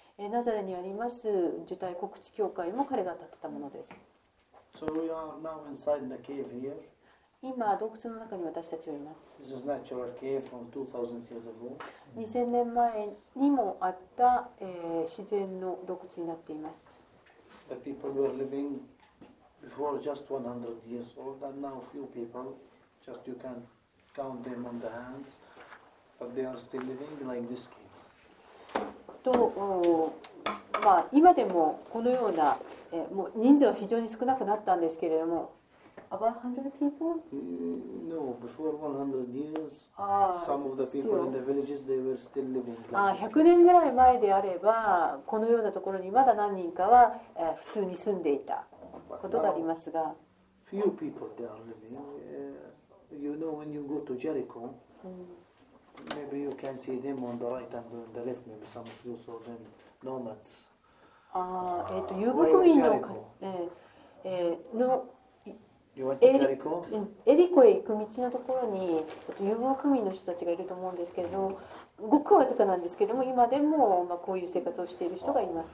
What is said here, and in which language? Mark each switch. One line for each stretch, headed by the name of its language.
Japanese: ナザレにあります受胎告知教会も彼が建てたものです。
English: So we are now inside the cave here.
Japanese: 今洞窟の中に私たちはいます。
English: This is natural cave from 2000 years ago.
Japanese: 2000年前にもあった、自然の洞窟になっています。
English: The people were livingBefore just 100 years old, and now few people, just you can count them on the hands, but they are still living like this case.
Japanese: と、まあ今でもこのような、もう人数は非常に少なくなったんですけれども、
English: about 100 people? No, before 100 years, some of the people in the villages they were still living.
Japanese: Like、100年ぐらい前であれば、このようなところにまだ何人かは、普通に住んでいた。ことがありますが、
English: few people they are living. You know when you go to Jericho, maybe you can see them on the right and the left, maybe some few of them nomads.
Japanese: Ah,遊牧民の、の、エリコへ行く道のところに遊牧民の人たちがいると思うんですけど、ごくわずかなんですけども、今でも、まあ、こういう生活をしている人がいます。